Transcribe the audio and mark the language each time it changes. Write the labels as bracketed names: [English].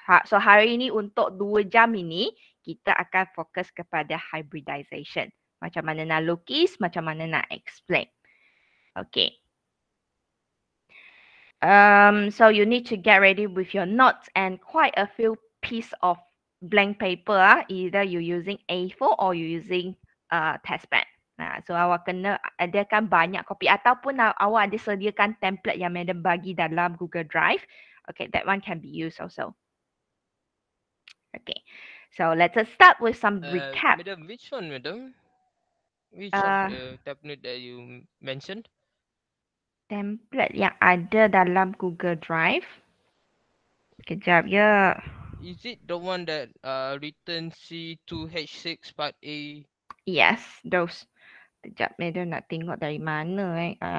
[Malay] So hari ini untuk 2 jam ini, kita akan fokus kepada hybridization. Macam mana nak lukis, macam mana nak explain. Okay. [English] So you need to get ready with your notes and quite a few piece of blank paper. Either you're using A4 or you're using test pad. [Malay] So awak kena adakan banyak copy ataupun awak ada sediakan template yang madam bagi dalam Google Drive. [English] Okay, that one can be used also. Okay, so let's start with some recap. Madam, which one, madam? Which template that you mentioned? [Malay] Template yang ada dalam Google Drive. Kejap ya. [English] Is it the one that written C2H6 part A? Yes, those. [Malay] Kejap, madam nak tengok dari mana eh.